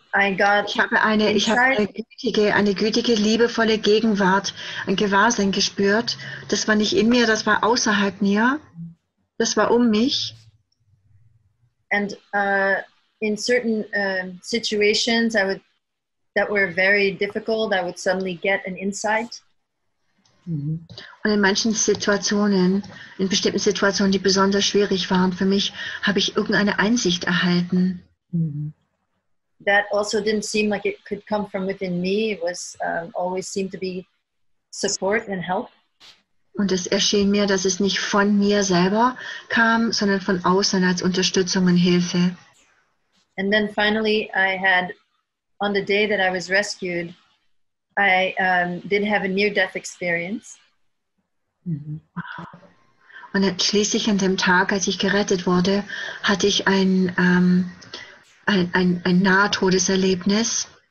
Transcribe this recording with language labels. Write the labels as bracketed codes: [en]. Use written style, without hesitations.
[de] Ich habe eine gütige, liebevolle Gegenwart, ein Gewahrsein gespürt. Das war nicht in mir, das war außerhalb mir. Das war um mich. [en] And in certain situations that were very difficult, I would suddenly get an insight. [de] Und in manchen Situationen, in bestimmten Situationen, die besonders schwierig waren für mich, habe ich irgendeine Einsicht erhalten. [en] That also didn't seem like it could come from within me. It was always seemed to be support and help. [de] Und es erschien mir, dass es nicht von mir selber kam, sondern von außen als Unterstützung und Hilfe. [en] And then finally, I had, on the day that I was rescued, I did have a near-death experience. [de] Und schließlich an dem Tag, als ich gerettet wurde, hatte ich ein Nahtodeserlebnis.